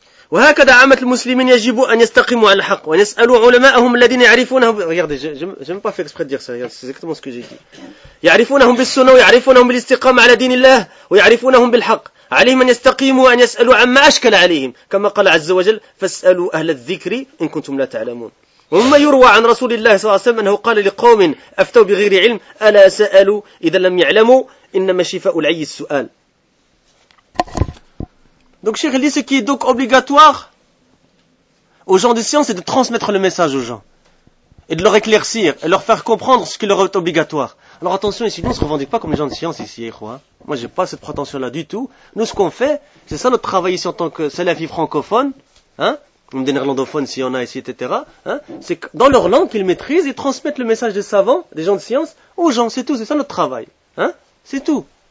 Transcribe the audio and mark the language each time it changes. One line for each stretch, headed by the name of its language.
Arabic: وهكذا عامة المسلمين يجب أن يستقيموا على الحق ويسألوا علماءهم الذين يعرفونه.
French: Regardez, je n'ai pas fait exprès de dire ça. Regardez, c'est exactement ce que j'ai dit.
Arabic: يعرفونهم بالسنة ويعرفونهم بالاستقامة على دين الله ويعرفونهم بالحق. عليهم أن يستقيموا أن يسألوا عما أشكل عليهم. كما قال عز وجل فاسألوا أهل الذكر إن كنتم لا تعلمون. وما يروى عن رسول الله صلى الله عليه وسلم أنه قال لقوم أفتوا بغير علم ألا سألوا إذا لم يعلموا إنما شفاء العي السؤال.
French: Donc, Cheikh dit, ce qui est donc obligatoire aux gens de science, c'est de transmettre le message aux gens. Et de leur éclaircir, et leur faire comprendre ce qui leur est obligatoire. Alors, attention ici, nous, on ne se revendique pas comme les gens de science ici, quoi. Moi, j'ai pas cette prétention-là du tout. Nous, ce qu'on fait, c'est ça notre travail ici en tant que salafis francophones, hein, des néerlandophones s'il y en a ici, etc., hein, c'est que dans leur langue qu'ils maîtrisent, ils transmettent le message des savants, des gens de science, aux gens, c'est tout, c'est ça notre travail, hein, c'est tout.